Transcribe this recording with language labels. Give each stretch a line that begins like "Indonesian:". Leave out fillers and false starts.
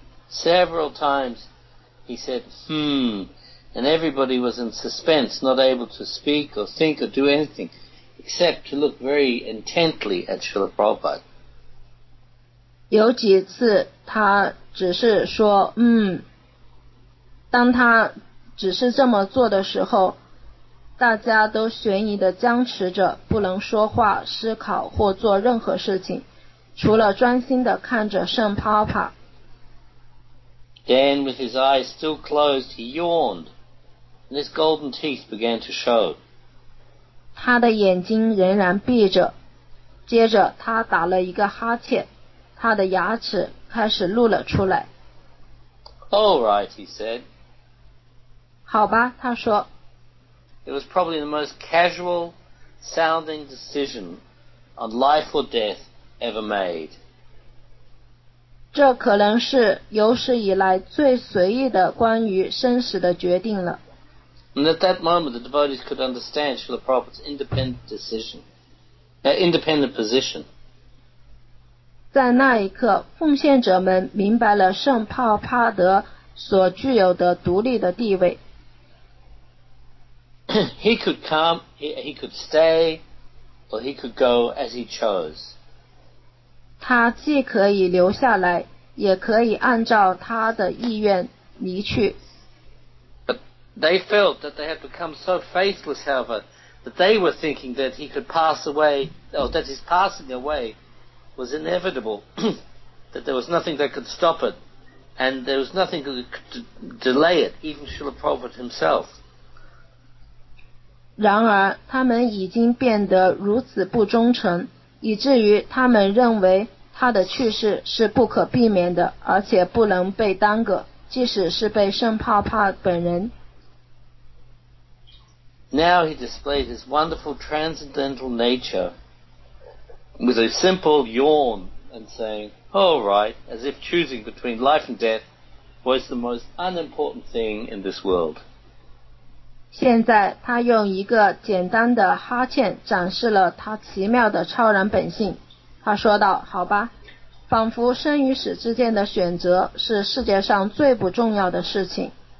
English: Several times he said, and everybody was in suspense, not able to speak or think or do anything, except to look very intently at Srila Prabhupada.
Chinese: 有几次他只是说当他只是这么做的时候，大家都悬疑地僵持着，不能说话、思考或做任何事情，除了专心地看着圣帕帕。
English: Then, with his eyes still closed, he yawned, and his golden teeth began to show.
Chinese: 他的眼睛仍然闭着，接着他打了一个哈欠，他的牙齿开始露了出来。
English: All right, he said.
Chinese: 好吧，他说。
English: It was probably the most casual sounding decision on life or death ever made.
Chinese: 这可能是有史以来最随意的关于生死的决定了。
English: And at that moment, the devotees could understand Srila Prabhupada's independent position.
Chinese: 在那一刻，奉献者们明白了圣帕帕德所具有的独立的地位。
English: He could come, he could stay, or he could go as he chose.
Chinese: 他既可以留下来，也可以按照他的意愿离去。
English: But they felt that they had become so faithless, however, that they were thinking that he could pass away, or that his passing away was inevitable, that there was nothing that could stop it, and there was nothing that could delay it, even Srila Prabhupada himself.
Chinese: 然而他们已经变得如此不忠诚，以至于他们认为他的去世是不可避免的，而且不能被耽搁，即使是被圣帕帕本人。
English: Now he displayed his wonderful transcendental nature with a simple yawn and saying, "All right," as if choosing between life and death was the most unimportant thing in this world.
Chinese: 现在他用一个简单的哈欠展示了他奇妙的超然本性。他说道，好吧，仿佛生与死之间的选择是世界上最不重要的事情。